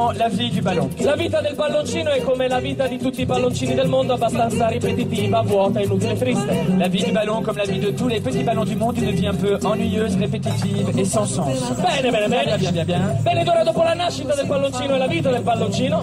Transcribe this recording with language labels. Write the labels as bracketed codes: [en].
[it] Bene, ed ora la vita del palloncino. Il palloncino è come la vita di tutti i palloncini del mondo, abbastanza ripetitiva, vuota, inutile, triste. [fr] La vie du ballon, comme la vie de tous les petits ballons du monde, devient un peu ennuyeuse, répétitive et sans sens. [it] Bene, ed ora dopo la nascita del palloncino e la vita del palloncino.